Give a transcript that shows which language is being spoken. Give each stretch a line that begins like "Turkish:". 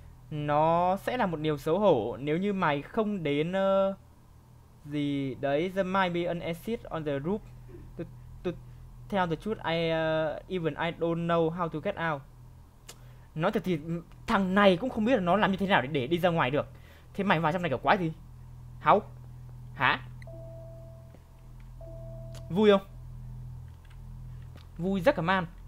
Vietnamese: Nó sẽ là một điều xấu hổ nếu như mày không đến gì đấy.
English: There might be an exit on the roof. Tell the truth, even I don't know how to get out.
Vietnamese: Nói thật thì thằng này cũng không biết là nó làm như thế nào để đi ra ngoài được. Thế mày vào trong này kiểu quái gì? Háu? Hả? Vui không? Vui rất cả man.